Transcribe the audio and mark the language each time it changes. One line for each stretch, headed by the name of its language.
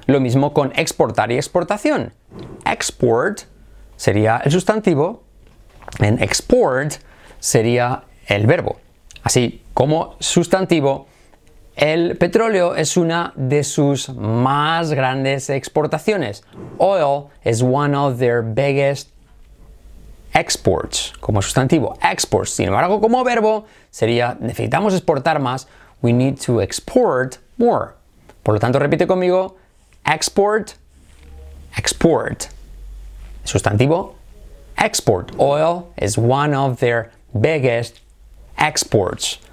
Spanish: Lo mismo con exportar y exportación. Export sería el sustantivo, en export sería el verbo. Así, como sustantivo, el petróleo es una de sus más grandes exportaciones.
English: Oil is one of their biggest exports,
Spanish: como sustantivo,
English: exports.
Spanish: Sin embargo, como verbo, sería necesitamos exportar más,
English: we need to export more.
Spanish: Por lo tanto, repite conmigo, export, export.
English: Sustantivo, export. Oil is one of their biggest exports.